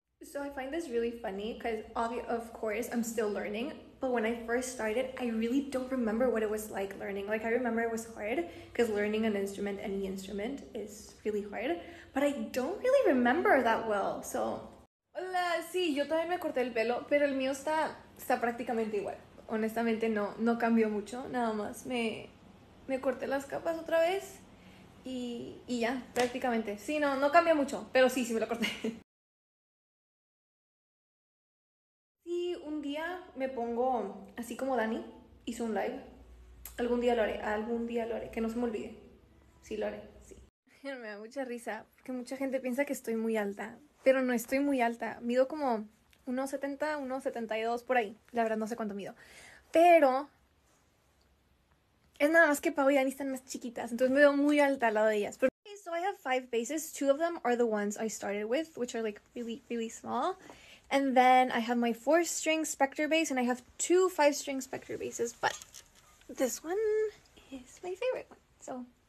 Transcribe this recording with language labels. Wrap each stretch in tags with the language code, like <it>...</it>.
<en>So I find this really funny because of course I'm still learning, but when I first started, I really don't remember what it was like learning. Like I remember it was hard because learning an instrument, any instrument, is really hard, but I don't really remember that well, so.</en> <es>Hola, sí, yo también me corté el pelo, pero el mío está prácticamente igual. Honestamente no cambió mucho, nada más me corté las capas otra vez y ya, prácticamente. Sí, no cambió mucho, pero sí me lo corté. Un día me pongo así como Dani hizo un live. Algún día lo haré, que no se me olvide. Sí, lo haré, sí. Me da mucha risa porque mucha gente piensa que estoy muy alta, pero no estoy muy alta. Mido como 1.70, 1.72 por ahí. La verdad, no sé cuánto mido. Pero es nada más que Pau y Dani están más chiquitas, entonces me veo muy alta al lado de ellas.</es> <en>Okay, so I have 5 bases. 2 of them are the ones I started with, which are like really, really small. And then I have my 4-string Spector bass, and I have 2 5-string Spector basses, but this one is my favorite one, so.</en>